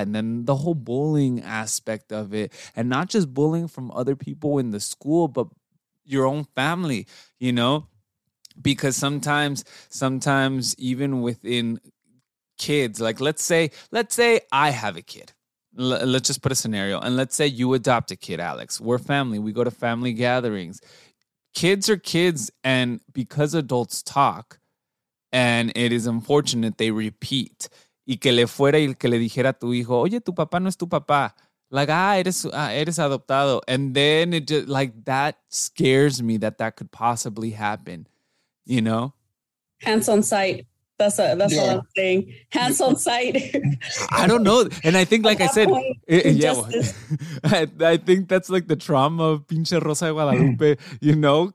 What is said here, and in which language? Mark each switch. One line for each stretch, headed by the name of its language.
English: And then the whole bullying aspect of it, and not just bullying from other people in the school, but your own family, you know, because sometimes even within kids, like let's say I have a kid. Let's just put a scenario. And let's say you adopt a kid, Alex. We're family. We go to family gatherings. Kids are kids. And because adults talk, and it is unfortunate they repeat.
Spanish: Y que le fuera y que le dijera a tu hijo, oye, tu papá no es tu papá. Like, eres adoptado.
English: And then it just, like, that scares me that could possibly happen, you know? Hands on sight. That's what I'm saying. Hands on sight. I don't know. And I think, like I said, I think that's like the trauma of pinche Rosa de Guadalupe, you know?